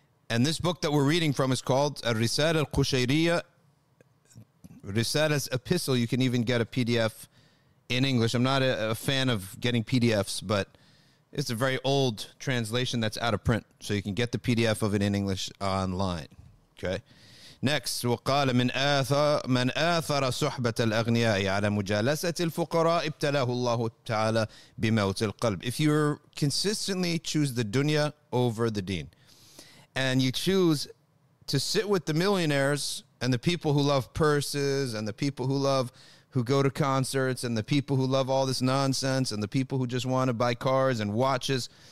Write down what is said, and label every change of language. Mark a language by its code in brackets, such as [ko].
[en] And this book that we're reading from is called Al-Risala Al-Qushayriya. Risala's epistle. You can even get a PDF in English. I'm not a fan of getting PDFs, but it's a very old translation that's out of print. So you can get the PDF of it in English online. Okay. [ar] Next, وقال من آثر صحبة الأغنياء على مجالسة الفقراء ابتلاه الله تعالى بموت القلب. [en] If you consistently choose the dunya over the deen, and you choose to sit with the millionaires and the people who love purses and the people who go to concerts and the people who love all this nonsense and the people who just want to buy cars and watches.